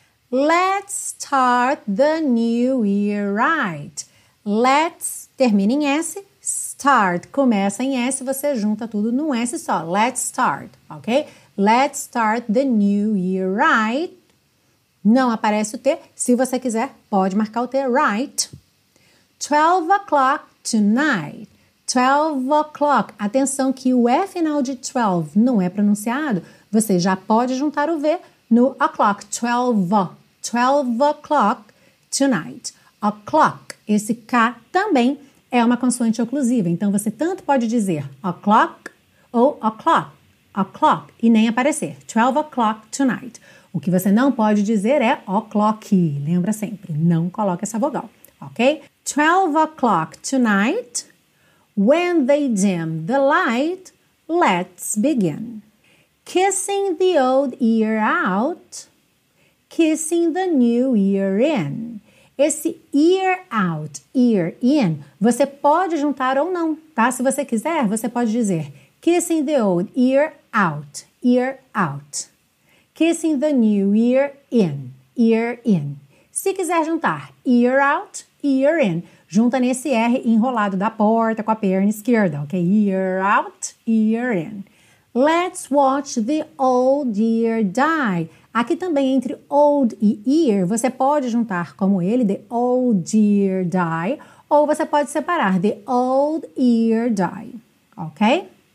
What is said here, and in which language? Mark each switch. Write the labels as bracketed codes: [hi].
[en] Let's start the new year right. [pt] Let's, termina em S, start, começa em S, você junta tudo num S só. [en] Let's start, ok? Let's start the new year right. [pt] Não aparece o T, se você quiser, pode marcar o T, right. [en] 12 o'clock tonight. 12 o'clock. [pt] Atenção que o E final de 12 não é pronunciado. Você já pode juntar o V no o'clock. 12. [en] 12 o'clock tonight. O'clock. [pt] Esse K também é uma consoante oclusiva. Então você tanto pode dizer o'clock ou o'clock. O'clock. E nem aparecer. [en] 12 o'clock tonight. [pt] O que você não pode dizer é o'clock. Lembra sempre. Não coloque essa vogal. Ok? [en] 12 o'clock tonight, when they dim the light, let's begin. Kissing the old year out, kissing the new year in. [pt] Esse year out, year in, você pode juntar ou não, tá? Se você quiser, você pode dizer [en] kissing the old year out, [pt] year out. [en] Kissing the new year in, year in. [pt] Se quiser juntar year out, year in. Junta nesse R enrolado da porta com a perna esquerda, ok? [en] Year out, year in. Let's watch the old year die. [pt] Aqui também, entre old e year, você pode juntar como ele, the old year die, ou você pode separar, the old year die, ok?